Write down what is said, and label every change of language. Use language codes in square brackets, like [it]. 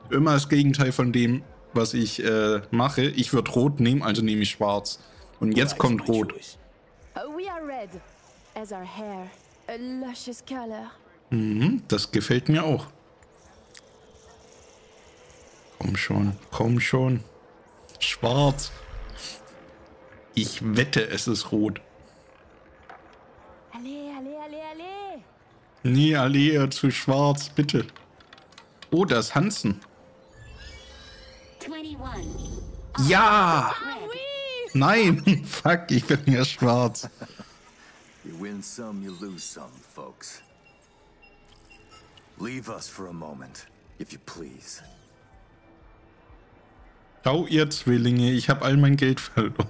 [de] Immer das Gegenteil von dem, was ich mache. Ich würde rot nehmen, also nehme ich schwarz. Und jetzt kommt rot. [en] We are red, as our hair, a luscious color. [de] Das gefällt mir auch. Komm schon, komm schon. Schwarz. Ich wette, es ist rot. Alle, alle, alle, alle. Nee, alle, zu schwarz, bitte. Oh, da ist Hansen. 21. Ja! [fr] Oh, oui. [de] Nein, fuck, ich bin ja schwarz. [en] You win some, you lose some, folks. Leave us for a moment, if you please. [de] Schau, ihr Zwillinge, ich habe all mein Geld verloren.